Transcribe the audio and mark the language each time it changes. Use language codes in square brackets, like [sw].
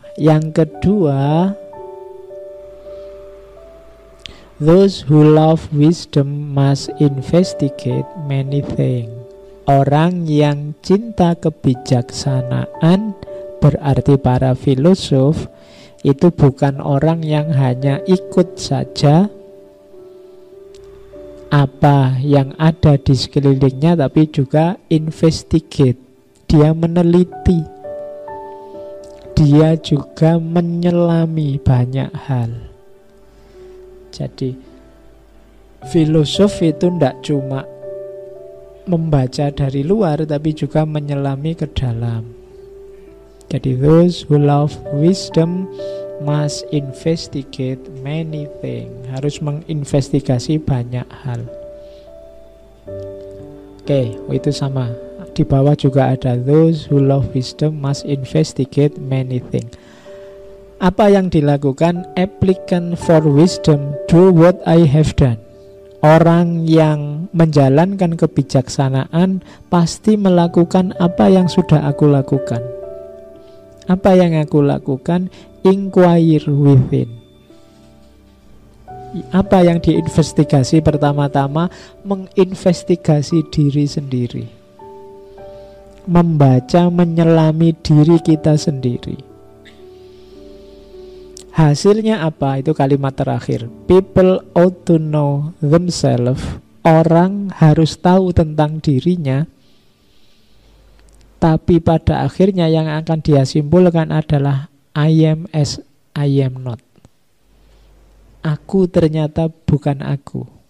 [id] Yang kedua, [en] those who love wisdom must investigate many things. [id] Orang yang cinta kebijaksanaan, berarti para filosof, itu bukan orang yang hanya ikut saja apa yang ada di sekelilingnya, tapi juga investigate. Dia meneliti, dia juga menyelami banyak hal. Jadi filosof itu tidak cuma membaca dari luar, tapi juga menyelami ke dalam. [en] Jadi those who love wisdom must investigate many things. [id] Harus menginvestigasi banyak hal. Oke, itu sama. Di bawah juga ada [en] those who love wisdom must investigate many things. [id] Apa yang dilakukan [en] applicant for wisdom, do what I have done. [id] Orang yang menjalankan kebijaksanaan pasti melakukan apa yang sudah aku lakukan. Apa yang aku lakukan? [en] Inquire within. [id] Apa yang diinvestigasi pertama-tama? Menginvestigasi diri sendiri. Membaca, menyelami diri kita sendiri. Hasilnya apa? Itu kalimat terakhir. [en] People ought to know themselves. [id] Orang harus tahu tentang dirinya. Tapi pada akhirnya yang akan dia simpulkan adalah [en] I am as I am not. [id] Aku ternyata bukan aku.